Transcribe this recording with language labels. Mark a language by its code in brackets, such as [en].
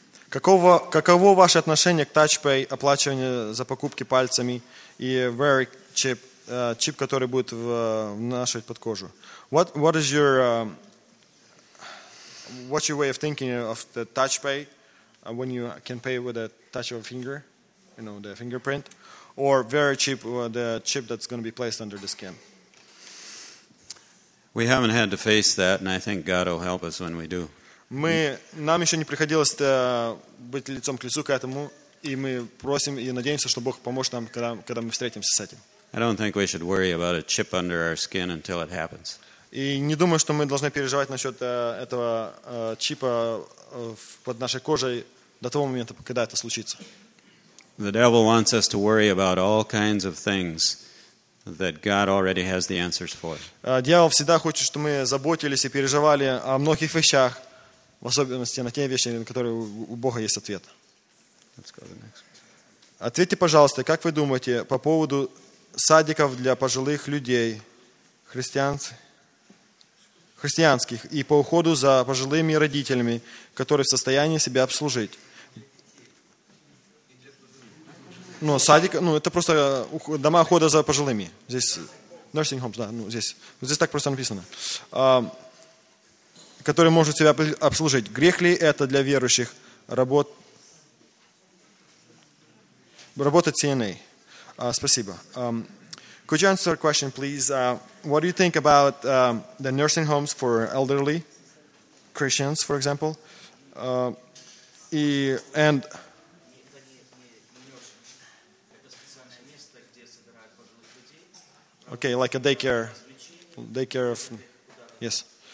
[ru] Каково ваше отношение к TouchPay, оплачиванию за покупки пальцами и Wear chip, чип, который будет вносить под кожу? [en] What is your what's your way of thinking of the TouchPay when you can pay with a touch of a finger, you know, the fingerprint, or Wear chip, the chip that's going to be placed under the skin? We haven't had to face that, and I think God will help us when we do. [ru] Мы, нам еще не приходилось быть лицом к лицу к этому, и мы просим и надеемся, что Бог поможет нам, когда мы встретимся с этим. [en] I don't think we should worry about a chip under our skin until it happens. [ru] И не думаю, что мы должны переживать насчет этого чипа под нашей кожей до того момента, когда это случится. [en] The devil wants us to worry about all kinds of things that God already has the answers for. [ru] Дьявол всегда хочет, чтобы мы заботились и переживали о многих вещах, в особенности на те вещи, на которые у Бога есть ответ. Ответьте, пожалуйста, как вы думаете по поводу садиков для пожилых людей, христианских, и по уходу за пожилыми родителями, которые в состоянии себя обслужить? Ну, садик, ну, это просто дома ухода за пожилыми. Здесь nursing homes, да, ну, здесь так просто написано. Который может себя обслужить. Грех ли это для верующих работать CNA? Спасибо. [en] Could you answer a question, please? What do you think about the nursing homes for elderly Christians, for example? And okay, like a daycare of, yes.